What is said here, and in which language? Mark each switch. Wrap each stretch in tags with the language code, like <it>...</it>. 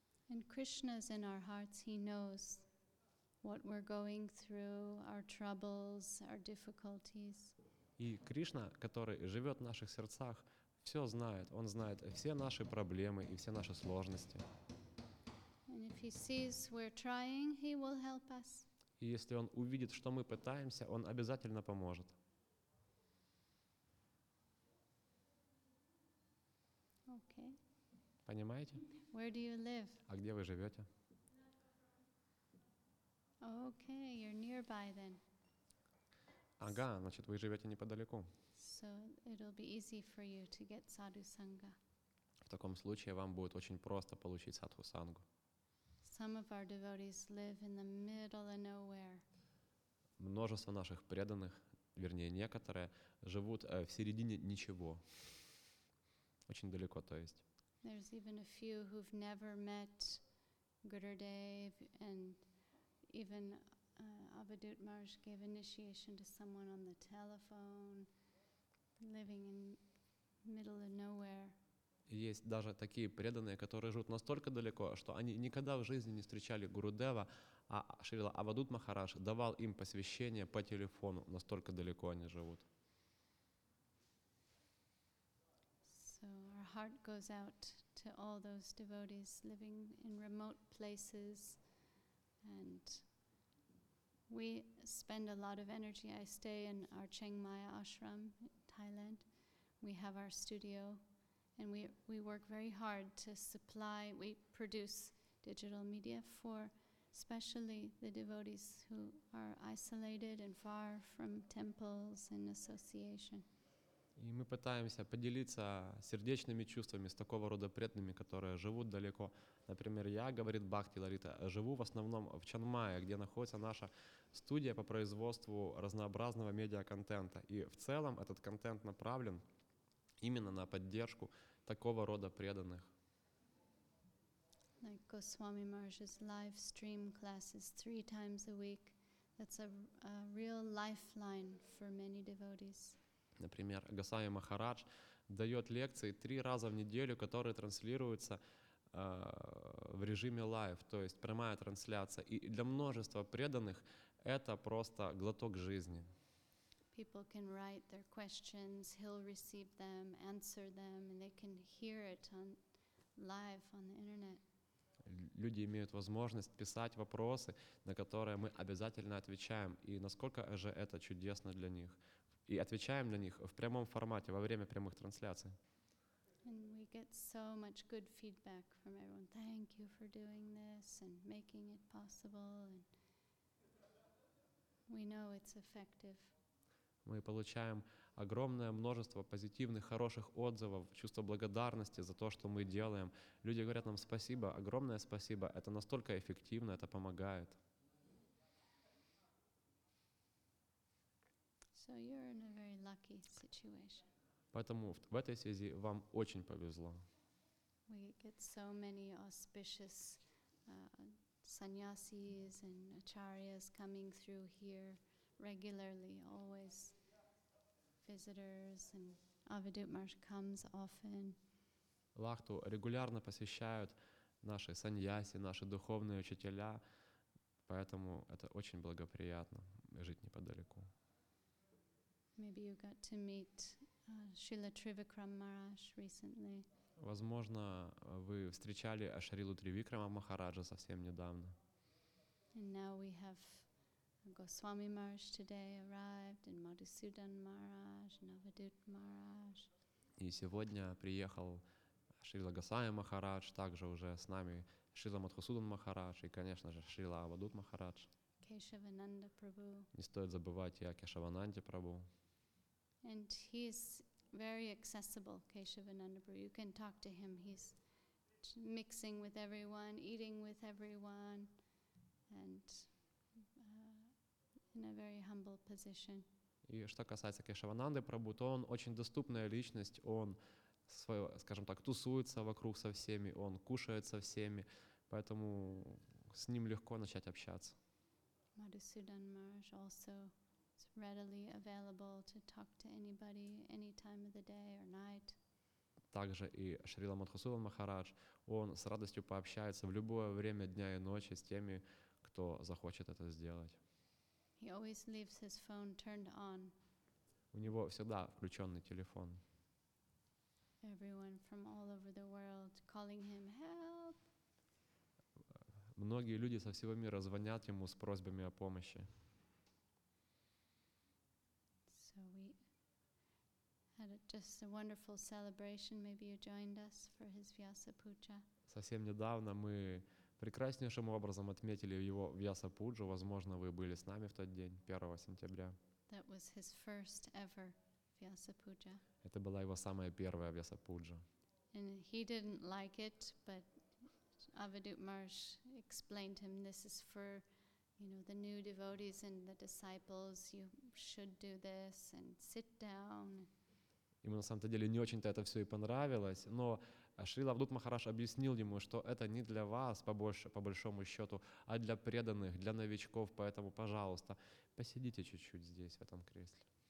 <en>And Krishna's in our hearts, he knows what we're going through, our troubles, our difficulties.</en> <ru>И Кришна, который живет в наших сердцах, все знает. Он знает все наши проблемы и все наши сложности.</ru> <en>And if he sees we're trying, he will help us.</en> <ru>И если он увидит, что мы пытаемся, он обязательно поможет.</ru> <en>Okay.</en> <ru>Понимаете?</ru> <en>Where do you live?</en> <ru>А где вы живете?</ru> <en>Okay, you're nearby then.</en> <ru>Ага, значит, вы живете неподалеку.</ru> <en>So it'll be easy for you to get sadhu sangha.</en> <ru>В таком случае вам будет очень просто получить садху сангу.</ru> <en>Some of our devotees live in the middle of nowhere.</en> <ru>Множество наших преданных, вернее, некоторые, живут в середине ничего. очень далеко, то есть.</ru> <en>There's even a few who've never met Gurudev, and even Abhidhut Maharaj gave initiation to someone on the telephone, living in middle of nowhere.</en> <ru>Есть даже такие преданные, которые живут настолько далеко, что они никогда в жизни не встречали Гурудева, а Шрила Абхадут Махарадж давал им посвящение по телефону, настолько далеко они живут.</ru> <en>So our heart goes out to all those devotees living in remote places, and we spend a lot of energy. I stay in our Chiang Mai ashram in Thailand. We have our studio. And we work very hard to supply, we produce digital media for especially the devotees who are isolated and far from temples and association.</en> <ru>И мы пытаемся поделиться сердечными чувствами с такого рода преданными, которые живут далеко. Например, я, говорит Бхакти Ларита, живу в основном в Чан Мае, где находится наша студия по производству разнообразного медиа-контента. И в целом этот контент направлен именно на поддержку такого рода преданных.</ru> <en>Like Goswami Maharaj's live stream classes 3 times a week. That's a real lifeline for many devotees.</en> <ru>Например, Госвами Махарадж дает лекции 3 раза в неделю, которые транслируются в режиме лайв, то есть прямая трансляция. И для множества преданных это просто глоток жизни.</ru> <en>People can write their questions, he'll receive them, answer them, and they can hear it on live on the internet.</en> <ru>Люди имеют возможность писать вопросы, на которые мы обязательно отвечаем. И насколько же это чудесно для них. И отвечаем на них в прямом формате, во время прямых трансляций.</ru> <en>And we get so much good feedback from everyone. Thank you for doing this and making it possible. And we know it's effective.</en> <ru>Мы получаем огромное множество позитивных, хороших отзывов, чувство благодарности за то, что мы делаем. Люди говорят нам спасибо, огромное спасибо. Это настолько эффективно, это помогает.</ru> <en>So you're in a very lucky situation.</en> <ru>Поэтому в этой связи вам очень повезло.</ru> <en>We get so many auspicious sannyasis and acharyas coming through here regularly, always. Visitors and Abhidhut Maharaj comes often.</en> <ru>Лахту регулярно посещают наши саньяси, наши духовные учителя, поэтому это очень благоприятно жить неподалеку.</ru> <en>Maybe you got to meet Srila Trivikrama Maharaj recently.</en> <ru>Возможно, вы встречали Шрилу Тривикрама Махараджа совсем недавно.</ru> <en>And now we have Goswami Maharaj today arrived, and Madhusudan Maharaj, and Abhidhut Maharaj.</en> <ru>И сегодня приехал Шрила Госвами Махарадж, также уже с нами Шрила Мадхусудан Махарадж, и, конечно же, Шрила Абхадут Махарадж. Кешавананда Прабху. Не стоит забывать и о Кешавананде Прабху.</ru> <en>And he's very accessible, Кешавананда Прабху. You can talk to him. He's mixing with everyone, eating with everyone, and in a very humble position.</en> <ru>И что касается Кешавананды Прабху, то он очень доступная личность, он, свое, скажем так, тусуется вокруг со всеми, он кушает со всеми, поэтому с ним легко начать общаться.</ru> <en>Madhusudan Maharaj also is readily available to talk to anybody any time of the day or night.</en> <ru>Также и Шрила Мадхусудан Махарадж, он с радостью пообщается в любое время дня и ночи с теми, кто захочет это сделать.</ru> <en>He always leaves his phone turned on.</en> <ru>У него всегда включенный телефон.</ru> <en>Everyone from all over the world calling him help.</en> <ru>Многие люди со всего мира звонят ему с просьбами о помощи.</ru> <en>So we had just a wonderful celebration. Maybe you joined us for his Vyasa Puja.</en> <ru>Совсем недавно мы прекраснейшим образом отметили его Вьяса-пуджу. Возможно, вы были с нами в тот день, 1 сентября.</ru> <en>That was his first ever Vyasa-puja.</en> <ru>Это была его самая первая Вьяса-пуджа.</ru> <en>And he didn't like it, but Abhidhut Maharaj explained him, this is for, you know, the new devotees and the disciples, you should do this and sit down.</en> <ru>ему на самом-то деле не очень-то это все и понравилось, но Шрила Авдут Махарадж объяснил ему, что это не для вас по большому счету, а для преданных, для новичков, поэтому, пожалуйста, посидите чуть-чуть здесь, в этом кресле.</ru>